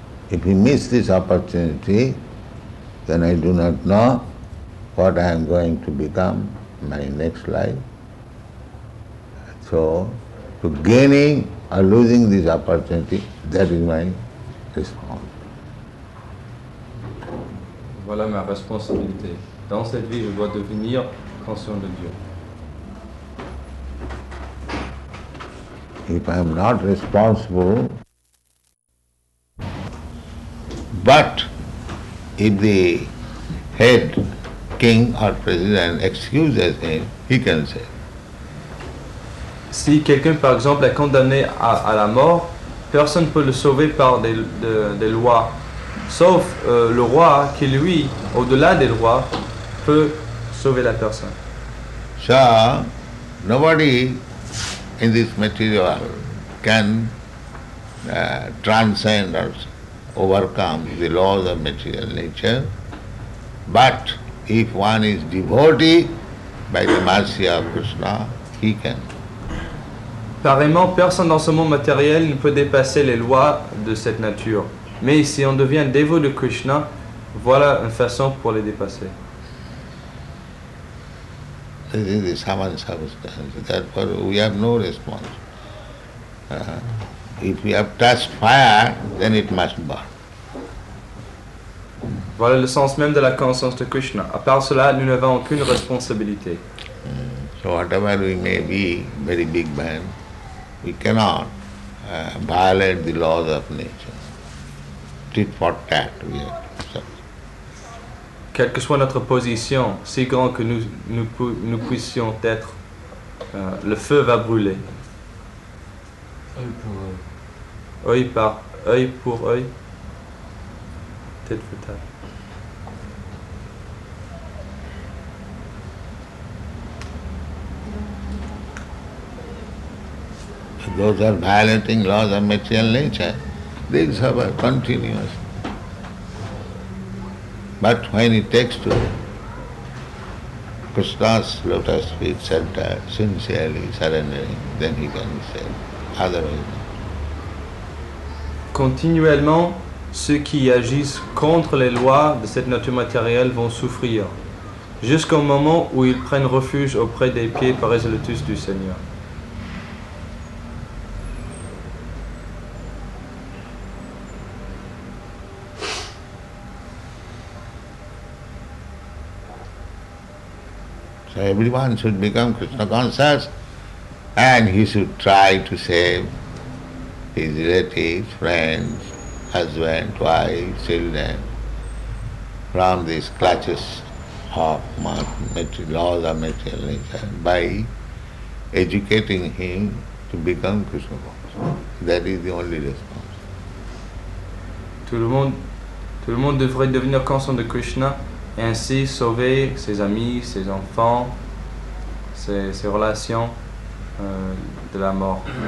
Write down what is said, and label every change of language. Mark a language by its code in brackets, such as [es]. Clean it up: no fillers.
[en] If you miss this opportunity, then I do not know what I am going to become my next life. So, to gaining or losing this opportunity, that is my response. [fr] Voilà ma responsabilité. Dans cette vie, je dois devenir conscient de Dieu. [en] If I am not responsible, but if the head king or president excuses him, he can say. [fr] Si quelqu'un, par exemple, est condamné à la mort, personne ne peut le sauver par des lois. Sauf le roi qui, lui, au-delà des lois, peut sauver la personne. [en] So, nobody in this material can transcend or overcome the laws of material nature. But if one is devotee, by the mercy of Krishna, he can. [fr] Pareillement, personne dans ce monde matériel ne peut dépasser les lois de cette nature. Mais si on devient dévot de Krishna, voilà une façon pour les dépasser. [en] This is the saman substance. Therefore, we have no response. If we have touched fire, then it must burn. [fr] Voilà le sens même de la conscience de Krishna. À part cela, nous n'avons aucune responsabilité. [en] So whatever we may be, very big man, we cannot violate the laws of nature. Tit for tat, we have to suffer. [fr] Quelle que soit notre position, si grand que nous puissions être, le feu va brûler. Œil pour œil. Œil par œil pour œil. Tête pour tête. [en] Those are violating laws of material nature. They suffer continuously. But when he takes to Krishna's lotus feet center, sincerely surrendering, then he can save. Otherwise, [fr] continuellement, ceux qui agissent contre les lois de cette nature matérielle vont souffrir, jusqu'au moment où ils prennent refuge auprès des pieds par les lotus du Seigneur. [en] So everyone should become Krishna conscious and he should try to save his relatives, friends, husband, wife, children from these clutches of laws of material nature by educating him to become Krishna conscious. That is the only response. [fr] Tout le monde devrait devenir conscient de Krishna. Et ainsi sauver ses amis, ses enfants, ses relations de la mort.